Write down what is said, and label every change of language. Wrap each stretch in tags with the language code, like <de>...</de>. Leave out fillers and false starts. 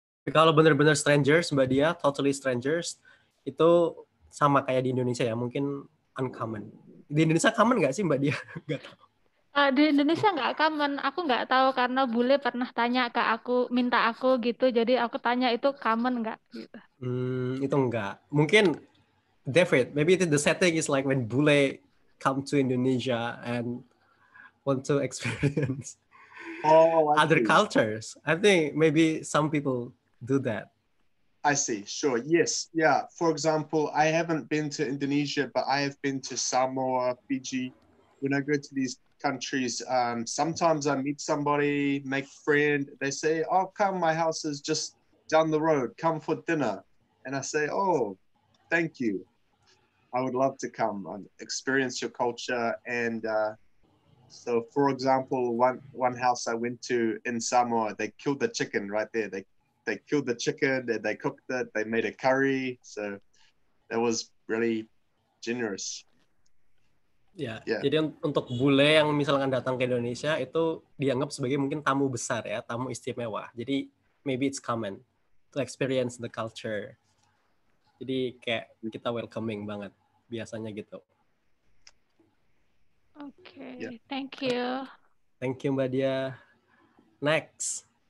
<id>Kalau benar-benar strangers, Mbak Dia,</id> <en>totally strangers,</en> <id>itu sama kayak di Indonesia ya, mungkin uncommon. Di Indonesia common nggak sih, Mbak Dia? Nggak tahu. Di Indonesia nggak common. Aku nggak tahu karena Bule pernah tanya ke aku, minta aku gitu, jadi aku tanya itu common nggak? Itu nggak. Mungkin,</id> <en>David, maybe the setting is like when Bule come to Indonesia and want to experience other cultures. I think maybe some people do that. I see. Sure. Yes. Yeah. For example, I haven't been to Indonesia, but I have been to Samoa, Fiji. When I go to these countries, sometimes I meet somebody, make friend. They say, "Oh, come, my house is just down the road. Come for dinner." And I say, "Oh, thank you. I would love to come and experience your culture." And so, for example, one house I went to in Samoa, they killed the chicken right there. They killed the chicken, they cooked it, they made a curry. So that was really generous. Yeah.</en> <id>Jadi untuk Bule yang misalkan datang ke Indonesia, itu dianggap sebagai mungkin tamu besar ya, tamu istimewa. Jadi</id> <en>maybe it's common to experience the culture.</en> <id>Jadi kayak kita welcoming banget, biasanya gitu.</id> <en>Okay, yeah. Thank you. Thank you, Mbak Dia. Next.</en>